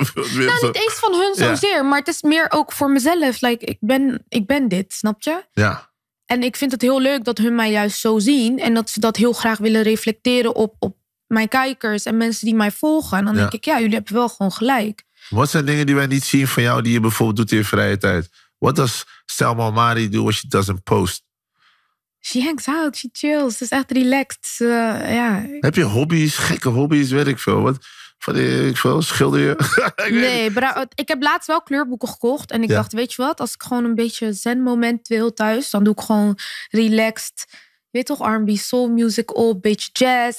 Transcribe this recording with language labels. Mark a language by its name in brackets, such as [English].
[Dutch] Nou, niet eens van hun zozeer, maar het is meer ook voor mezelf. Like, ik ben dit, snap je? Ja. En ik vind het heel leuk dat hun mij juist zo zien. En dat ze dat heel graag willen reflecteren op mijn kijkers en mensen die mij volgen. En dan denk ik, ja, jullie hebben wel gewoon gelijk. Wat zijn dingen die wij niet zien van jou die je bijvoorbeeld doet in je vrije tijd? [English] What does Selma Omari do when she doesn't post? She hangs out, she chills. [Dutch] Ze is echt relaxed. Heb je hobby's, gekke hobby's, weet ik veel. Wat? Van die, ik wil schilder je. Ik heb laatst wel kleurboeken gekocht. En ik dacht, weet je wat? Als ik gewoon een beetje zen moment wil thuis. Dan doe ik gewoon relaxed. Weet toch, R&B soul music op. Beetje jazz.